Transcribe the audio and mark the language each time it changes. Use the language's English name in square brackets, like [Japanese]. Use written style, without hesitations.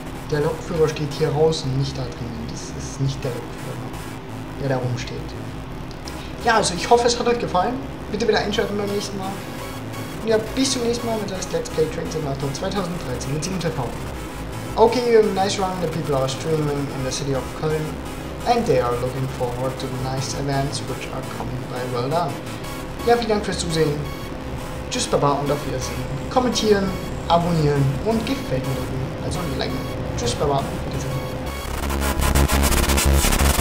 [German] Der Lokführer steht hier draußen, nicht da drinnen. Das ist nicht der Lokführer, der da rumsteht. Ja, also ich hoffe, es hat euch gefallen. Bitte wieder einschalten beim nächsten Mal. Und ja, bis zum nächsten Mal mit das Let's Play Train Simulator 2013 mit 7TV. [English] Okay, you have a nice run. The people are streaming in the city of Köln. And they are looking forward to the nice events which are coming by. Well done. [German] Ja, vielen Dank fürs Zusehen. Tschüss, Baba und auf Wiedersehen. Kommentieren, abonnieren und gefällt mir. Also liken. Tschüss, Baba. Bitte.